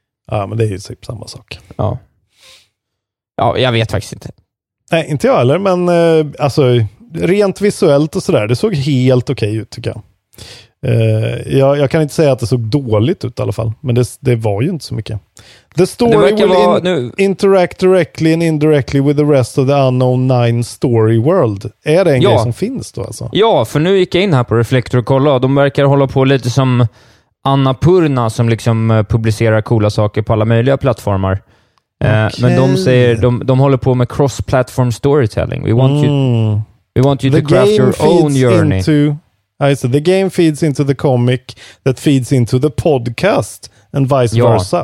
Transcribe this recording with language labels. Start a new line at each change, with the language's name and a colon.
Swedish: Ja, men det är ju typ samma sak. Ja. Ja, jag vet faktiskt inte. Nej, inte jag heller, men alltså, rent visuellt och sådär, det såg helt okej ut, tycker jag. Jag kan inte säga att det såg dåligt ut i alla fall, men det var ju inte så mycket.
English: The story interact directly and indirectly with the rest of the unknown nine story world.
Swedish: Är det en grej som finns då, alltså? Ja, för nu gick jag in här på Reflektor och kolla. De verkar hålla på lite som Annapurna, som liksom publicerar coola saker på alla möjliga plattformar. Okay. Men de säger de håller på med cross-platform storytelling.
English: We want you to craft your own journey. The game feeds into the comic that feeds into the podcast and vice versa.